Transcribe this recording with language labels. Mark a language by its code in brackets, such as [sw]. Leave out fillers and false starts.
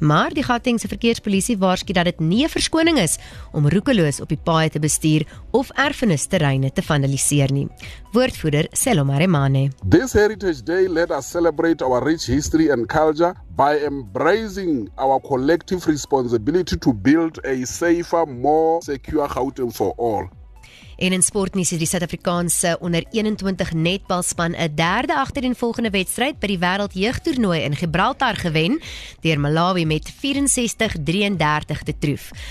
[af] Maar die Gautengse verkeerspolisie waarsku dat dit nie 'n verskoning is om roekeloos op die paaie te bestuur of erfenisterreine te vandaliseer nie. Woordvoerder Selomaremane. [en] This Heritage Day let us celebrate our rich history and culture by embracing our collective responsibility to build a safer, more secure Gauteng for all. [af] En in sportnuus het die Suid-Afrikaanse onder 21 netbalspan 'n derde agtereenvolgende wedstryd by die wêreldjeugtoernooi in Gibraltar gewen deur Malawi met 64-33 te troef.